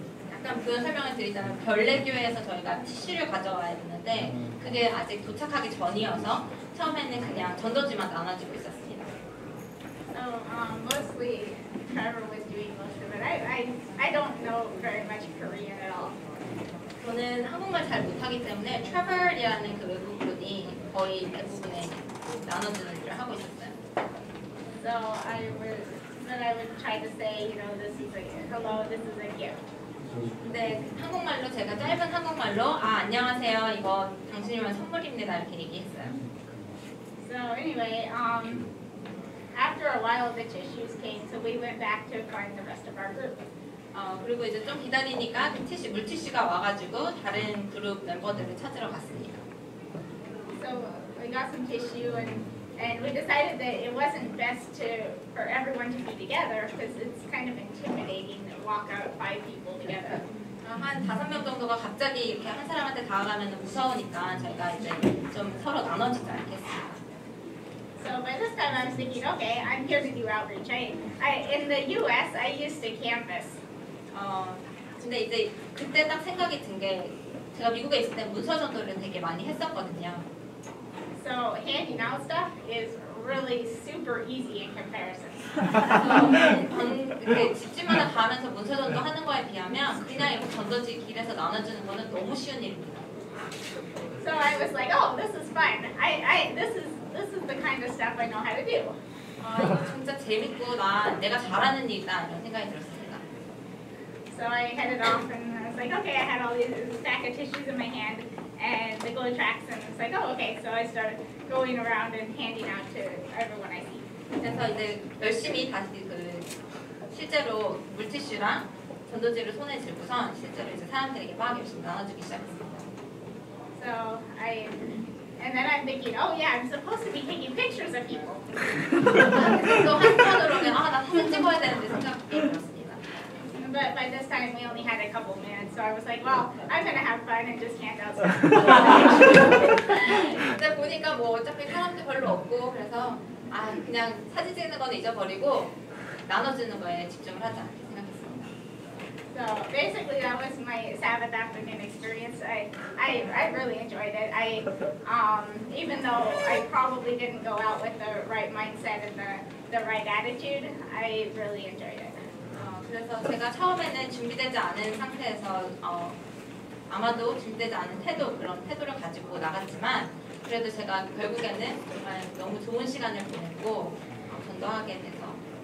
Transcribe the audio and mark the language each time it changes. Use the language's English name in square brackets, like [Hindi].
[Korean] 약간 그 설명을 드리자면 별내 교회에서 저희가 티슈를 가져와야 되는데 그게 아직 도착하기 전이어서 처음에는 그냥 전도지만 나눠주고 있었습니다. [English] So mostly Trevor was doing most of it. I don't know very much Korean at all. [Korean] 저는 한국말 잘 못하기 때문에 Trevor이라는 그 외국 분이 거의 대부분에 나눠주는 일을 하고 있었어요. [English] So I would try to say, you know, this is a hello, this is a gift. [Korean] 근데 한국말로 제가 짧은 한국말로 아 안녕하세요, 이거 당신이면 선물입니다 이렇게 얘기했어요. [English] So anyway, after a while the tissues came, so we went back to find the rest of our group. [Korean] 그리고 이제 좀 기다리니까 그 티슈 물티슈가 와가지고 다른 그룹 멤버들을 찾으러 갔습니다. [English] So we got some tissue and we decided that it wasn't best for everyone to be together because it's kind of intimidating to walk out five people together. [Korean] 한 다섯 명 정도가 갑자기 이렇게 한 사람한테 다가가면 무서우니까 저희가 이제 좀 서로 나눠주자 했습니다. [English] So by this time I was thinking, okay, I'm here to do outreach. I in the U.S. I used to campus. [Korean] 근데 이제 그때 딱 생각이 든 게 제가 미국에 있을 때 문서 전도를 되게 많이 했었거든요. [English] So handing out stuff is really super easy in comparison. [Korean] 그 집집마다 가면서 문서 전도 하는 거에 비하면 그냥 이렇게 전도지 길에서 나눠주는 거는 너무 쉬운 일입니다. [English] So I was like, oh, this is fun. This is the kind of stuff I know how to do. [Korean] 진짜 재밌고 내가 잘하는 일이다 이런 생각이 들었어요. [English] So I headed off and I was like, okay, I had all these stack of tissues in my hand and the glow tracks and it's like, oh, okay. So I started going around and handing out to everyone I see. [Korean] 그래서 이제 열심히 다시 그 실제로 물티슈랑 전도지를 손에 들고서 실제로 이제 사람들에게 막 열심히 나눠주기 시작했습니다. [English] So and then I'm thinking, oh yeah, I'm supposed to be taking pictures of people. [Korean] 또 한편으로는 나 사진 찍어야 되는데 생각이 [English] But by this time, we only had a couple minutes, so I was like, well, I'm going to have fun and just hand out stuff. [Korean] 근데 보니까 뭐 어차피 사람도 별로 없고, 그래서 아 그냥 사진 찍는 건 잊어버리고 나눠주는 거에 집중을 하자 생각했습니다. [English] So basically that was my Sabbath afternoon experience. I really enjoyed it. Even though I probably didn't go out with the right mindset and the right attitude, I really enjoyed it. [Korean] 그래서 제가 처음에는 준비되지 않은 상태에서 아마도 준비되지 않은 태도, 그런 태도를 가지고 나갔지만 그래도 제가 결국에는 정말 너무 좋은 시간을 보냈고 전도하게 돼서